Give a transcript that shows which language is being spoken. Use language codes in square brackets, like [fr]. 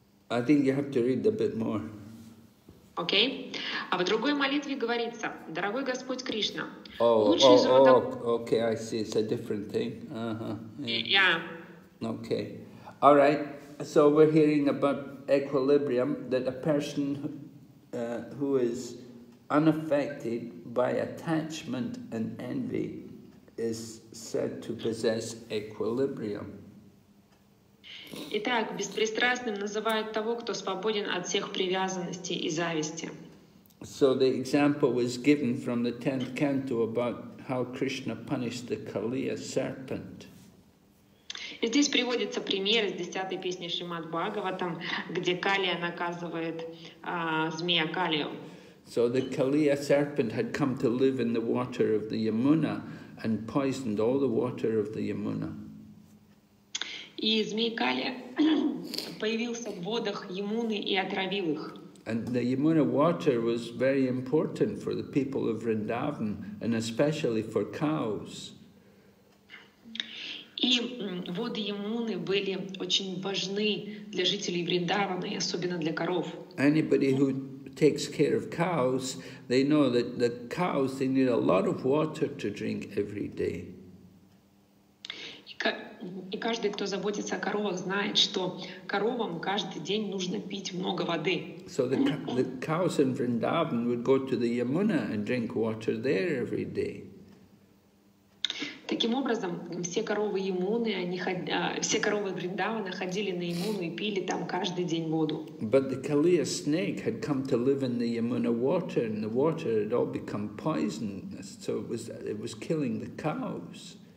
[en] I think you have to read a bit more. Okay. [ru] А в другой молитве говорится: «Дорогой Господь Кришна, [en] Okay, I see. It's a different thing. Uh-huh. Yeah. Okay. All right. So we're hearing about equilibrium, that a person who is unaffected by attachment and envy is said to possess equilibrium. [ru] Итак, беспристрастным называют того, кто свободен от всех привязанностей и зависти. [en] So the example was given from the 10th canto about how Krishna punished the Kaliya serpent. [ru] И здесь приводится пример из 10-й песни Шримад Бхагаватам, где Калия наказывает змея Калию. [en] So the Kaliya serpent had come to live in the water of the Yamuna and poisoned all the water of the Yamuna. [ru] И змей Калия появился в водах Ямуны и отравил их. [en] And the Yamuna water was very important for the people of Vrindavan, and especially for cows. [ru] И воды Ямуны были очень важны для жителей Вриндавана, и особенно для коров. [en] Anybody who takes care of cows, they know that the cows, they need a lot of water to drink every day. [ru] И каждый, кто заботится о коровах, знает, что коровам каждый день нужно пить много воды. [en] So the cows in Vrindavan would go to the Yamuna and drink water there every day. [ru] Таким образом, все коровы Ямуны, все коровы Вриндавана ходили на Ямуну и пили там каждый день воду. [en] But the Kaliya snake had come to live in the Yamuna water, and the water had all become poisonous, so it was killing the cows.